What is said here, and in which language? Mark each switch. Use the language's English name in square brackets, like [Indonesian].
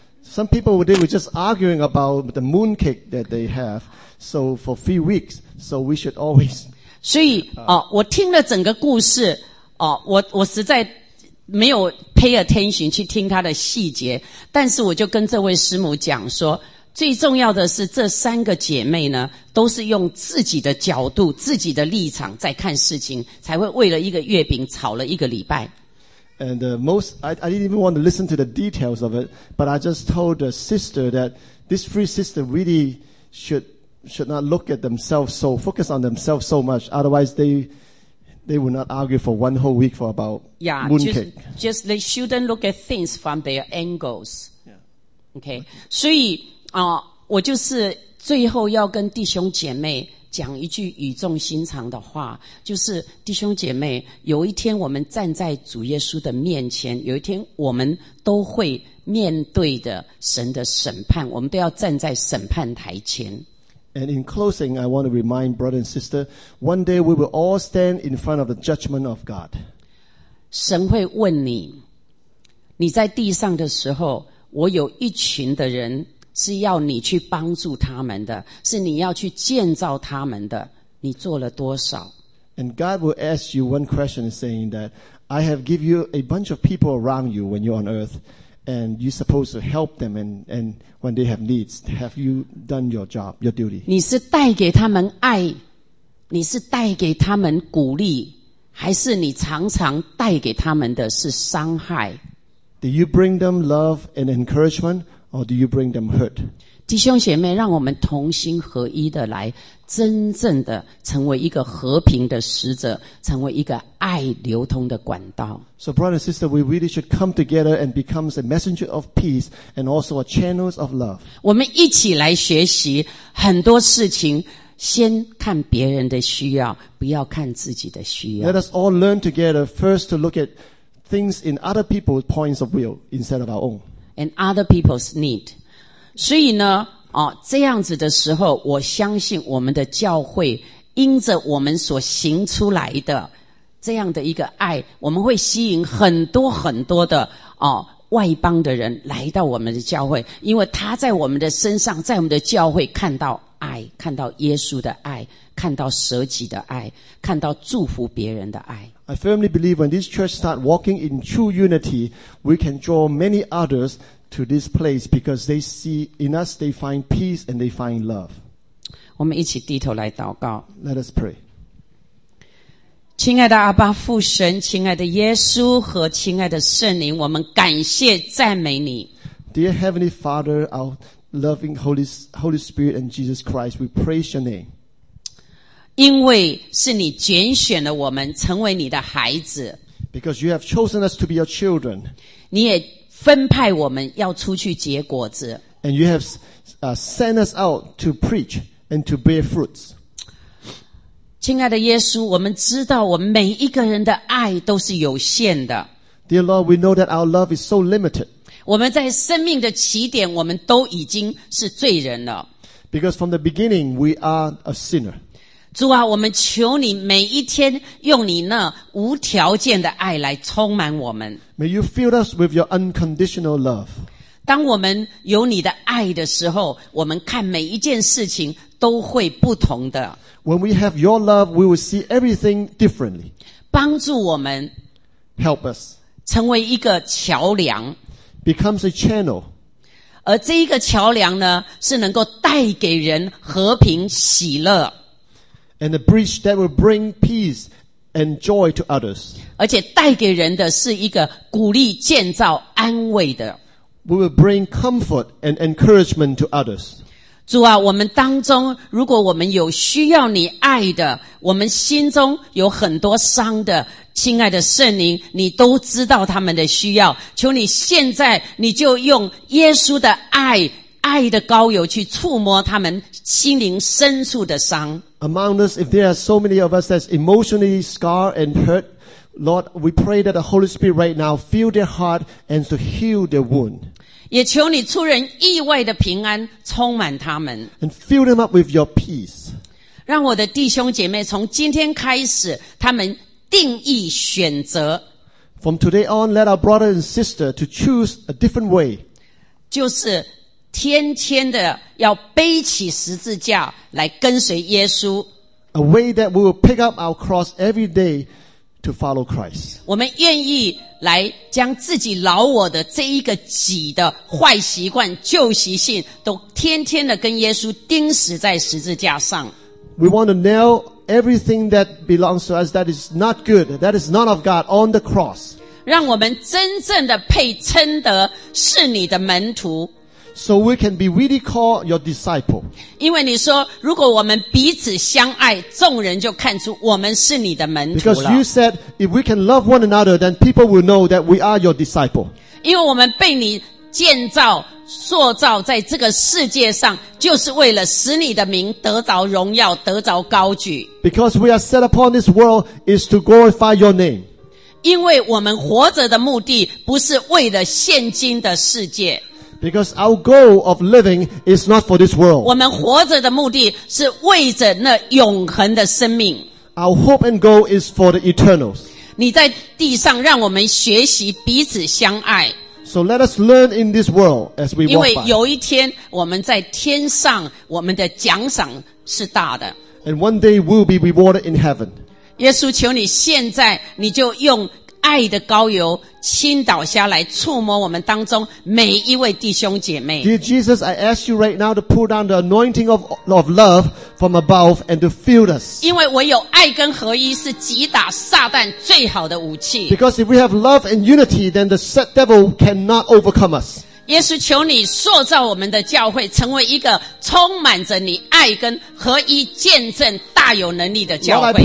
[English] Some people they were just arguing about the mooncake that they have. So for 3 weeks, so we should always. [Chinese] 所以我听了整个故事我实在没有 [English] pay attention [Chinese] 去听他的细节，但是我就跟这位师母讲说，最重要的是这三个姐妹呢都是用自己的角度自己的立场在看事情，才会为了一个月饼吵了一个礼拜。 [English] And I didn't even want to listen to the details of it, but I just told the sister that this three sister really should not look at themselves so focus on themselves so much, otherwise they will not argue for one whole week for about mooncake. Just they shouldn't look at things from their angles. Yeah. Okay. [Chinese] 所以我就是最后要跟弟兄姐妹讲一句语重心长的话，就是弟兄姐妹，有一天我们站在主耶稣的面前，有一天我们都会面对的神的审判，我们都要站在审判台前。 [English] And in closing, I want to remind brother and sister, one day we will all stand in front of the judgment of God. [Chinese] 神会问你，你在地上的时候，我有一群的人是要你去帮助他们的，是你要去建造他们的，你做了多少。 [English] And God will ask you one question saying that I have given you a bunch of people around you when you're on earth and you're supposed to help them and when they have needs. Have you done your job, your duty? [Chinese] 你是带给他们爱，你是带给他们鼓励，还是你常常带给他们的是伤害？ [English] Do you bring them love and encouragement or do you bring them hurt? [Chinese] 弟兄姐妹，让我们同心合一的来真正的成为一个和平的使者，成为一个爱流通的管道。 [English] So brother and sister, we really should come together and become a messenger of peace and also a channels of love. [Chinese] 我们一起来学习很多事情，先看别人的需要，不要看自己的需要。 [English] Let us all learn together first to look at things in other people's points of view instead of our own. And other people's need. [Chinese] 所以呢、哦、这样子的时候，我相信我们的教会因着我们所行出来的这样的一个爱，我们会吸引很多很多的、哦、外邦的人来到我们的教会，因为他在我们的身上，在我们的教会看到爱，看到耶稣的爱，看到舍己的爱，看到祝福别人的爱。 [English] I firmly believe when this church start walking in true unity, we can draw many others to this place because they see in us they find peace and they find love. [Chinese] 我们一起低头来祷告。 [English] Let us pray. [Chinese] 亲爱的阿爸父神，亲爱的耶稣和亲爱的圣灵，我们感谢赞美你。 [English] Dear Heavenly Father, our loving Holy Spirit and Jesus Christ, we praise your name. [Chinese] 因为是你拣选了我们成为你的孩子。 [English] Because you have chosen us to be your children. [Chinese] 你也分派我们要出去结果子。 [English] And you have sent us out to preach and to bear fruits. [Chinese] 亲爱的耶稣，我们知道我们每一个人的爱都是有限的。 [English] Dear Lord, we know that our love is so limited. [Chinese] 我们在生命的起点，我们都已经是罪人了。 [English] Because from the beginning, we are a sinner. [Chinese] 主啊，我们求你每一天用你那无条件的爱来充满我们。 [English] May you fill us with your unconditional love. [Chinese] 当我们有你的爱的时候，我们看每一件事情都会不同的。 [English] When we have your love, we will see everything differently. [Chinese] 帮助我们。 [English] Help us. [Chinese] 成为一个桥梁。 [English] Becomes a channel. [Chinese] 而这一个桥梁呢，是能够带给人和平喜乐。 [English] And a bridge that will bring peace and joy to others. [Chinese] 而且带给人的是一个鼓励、建造、安慰的。 [English] We will bring comfort and encouragement to others. [Chinese] 主啊，我们当中，如果我们有需要你爱的，我们心中有很多伤的，亲爱的圣灵，你都知道他们的需要。求你现在，你就用耶稣的爱，爱的膏油去触摸他们心灵深处的伤。 [English] Among us, if there are so many of us that's emotionally scarred and hurt, Lord, we pray that the Holy Spirit right now fill their heart and to heal their wound. [Chinese] 也求你出人意外的平安充满他们。 [English] And fill them up with your peace. [Chinese] 让我的弟兄姐妹从今天开始，他们定义选择。 [English] From today on, let our brother and sister to choose a different way. [Chinese] 就是天天的要背起十字架来跟随耶稣。 [English] A way that we will pick up our cross every day to follow Christ. [Chinese] 我们愿意来将自己老我的这一个己的坏习惯、旧习性都天天的跟耶稣钉死在十字架上。 [English] We want to nail everything that belongs to us that is not good, that is not of God on the cross. [Chinese] 让我们真正的配称得是你的门徒。 [English] So we can be really called your disciple. [Chinese] 因为你说，如果我们彼此相爱，众人就看出我们是你的门徒了。 [English] Because you said, if we can love one another, then people will know that we are your disciple. [Chinese] 因为我们被你建造、塑造在这个世界上，就是为了使你的名得着荣耀、得着高举。 [English] Because we are set upon this world is to glorify your name. [Chinese] 因为我们活着的目的不是为了现今的世界。 [English] Because our goal of living is not for this world. [Chinese] 我们活着的目的是为着那永恒的生命。 [English] Our hope and goal is for the eternals. [Chinese] 你在地上让我们学习彼此相爱。 [English] So let us learn in this world as we walk by. [Chinese] 因为有一天我们在天上，我们的奖赏是大的。 [English] And one day we'll be rewarded in heaven. [Chinese] 耶稣，求你现在你就用爱的膏油倾倒下来，触摸我们当中每一位弟兄姐妹。 [English] Dear Jesus, I ask you right now to pull down the anointing of love from above and to fill us. [Chinese] 因为唯有爱跟合一是击打撒旦最好的武器。 [English] Because if we have love and unity, then the set devil cannot overcome us. [Chinese] 耶稣，求你塑造我们的教会，成为一个充满着你爱跟合一见证大有能力的教会。